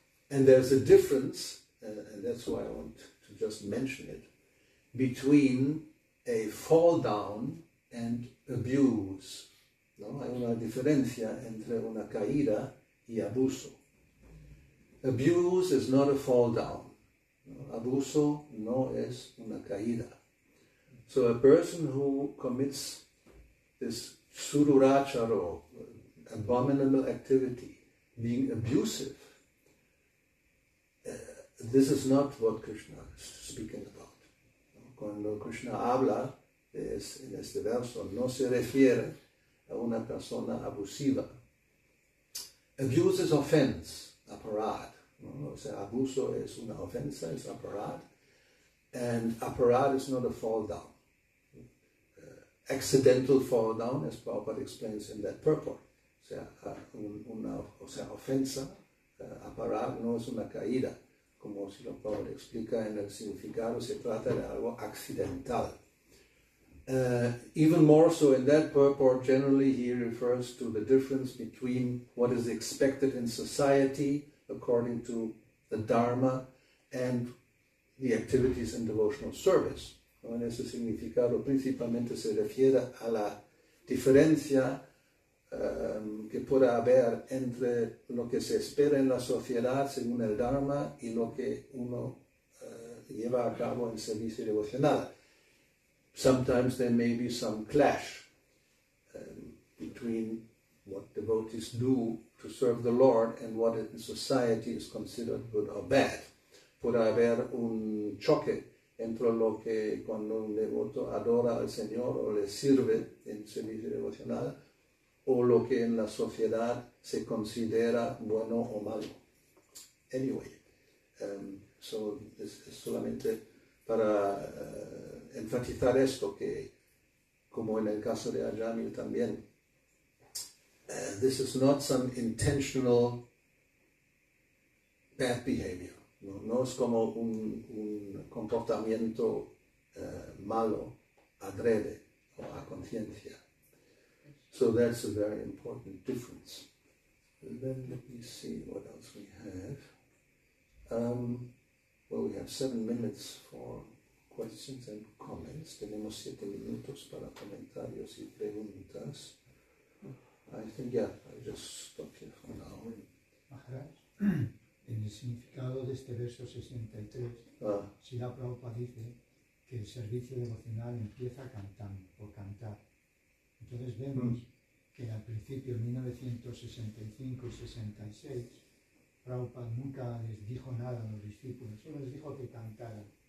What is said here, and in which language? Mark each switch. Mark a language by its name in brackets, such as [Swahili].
[English] And there's a difference, and that's why I want to just mention it, between a fall down and abuse. [Spanish] ¿No? Hay una diferencia entre una caída y abuso. [English] Abuse is not a fall down. [Spanish] ¿No? Abuso no es una caída. [English] So a person who commits this sururacharo, abominable activity, being abusive, this is not what Krishna is speaking about. [Spanish] ¿No? Cuando Krishna habla, en este verso, no se refiere a una persona abusiva. [English] Abuse is offense, aparad. [Spanish] ¿No? O sea, abuso es una ofensa, es aparad. [English] And aparad is not a fall down. Accidental fall down, as Prabhupada explains in that purport. [Spanish] O sea, ofensa, aparad no es una caída. Como si lo Prabhupada explica en el significado, se trata de algo accidental. [English] Even more so in that purport, generally he refers to the difference between what is expected in society according to the Dharma and the activities in devotional service. [Spanish] ¿No? En ese significado principalmente se refiere a la diferencia que pueda haber entre lo que se espera en la sociedad según el Dharma y lo que uno lleva a cabo en servicio devocional. [English] Sometimes there may be some clash between what devotees do to serve the Lord and what in society is considered good or bad. [Spanish] Puede haber un choque entre lo que cuando un devoto adora al Señor o le sirve en servicio devocional o lo que en la sociedad se considera bueno o malo. [English] Anyway, so this is [Spanish] solamente para enfatizar esto, que como en el caso de Ajamil también, [English] this is not some intentional bad behavior. [Spanish] No, no es como un comportamiento malo, adrede o a conciencia. [English] So that's a very important difference. And then let me see what else we have. Well, we have 7 minutes for questions and comments. [Spanish] Tenemos 7 minutos para comentarios y preguntas. [English] I think, yeah, I'll just stop here for now. [Spanish] Maharaj, en el significado de este verso 63, Srila Prabhupada dice que el servicio devocional empieza cantando, por cantar. Entonces vemos que al principio, en 1965 y 66, Prabhupada nunca les dijo nada a los discípulos, solo les dijo que cantaran.